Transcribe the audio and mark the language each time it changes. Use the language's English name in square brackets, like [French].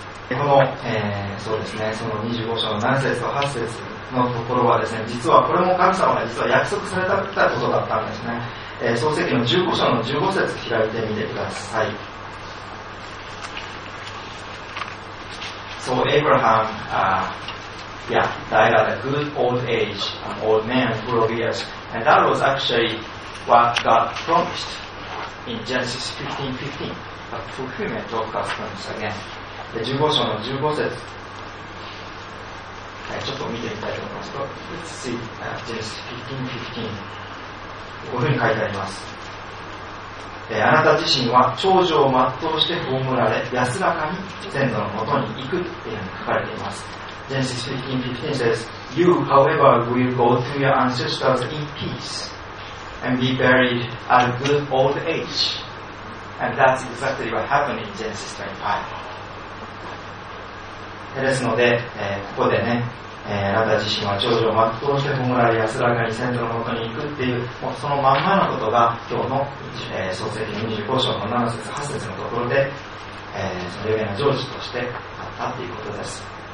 [Japanese] この、そうですね、その25章の7節と8節のところはですね、実はこれも神様が実は約束されたことだったんですね。創世記の15章の15節開いてみてください。 [English] So Abraham died at a good old age, an old man full of years, and that was actually what God promised in Genesis 15:15, but fulfillment of God's promise again. [Japanese] 15章の15節、ちょっと見てみたいと思いますが、 [English] Let's see Genesis 15:15。 [Japanese] こういうふうに書いてあります。あなた自身は長寿を全うして葬られ、安らかに先祖のもとに行くっていうふうに書かれています。 [English] Genesis 15:15 says, You, however, will go to your ancestors in peace and be buried at a good old age. And that's exactly what happened in Genesis 25. [Japanese] ですので、ここでね、あなた自身は長寿を全うして葬られ、安らかに先祖のもとに行くっていう、もうそのまんまのことが今日の、創世記25章の7節8節のところで、その有名な成就としてあったということです。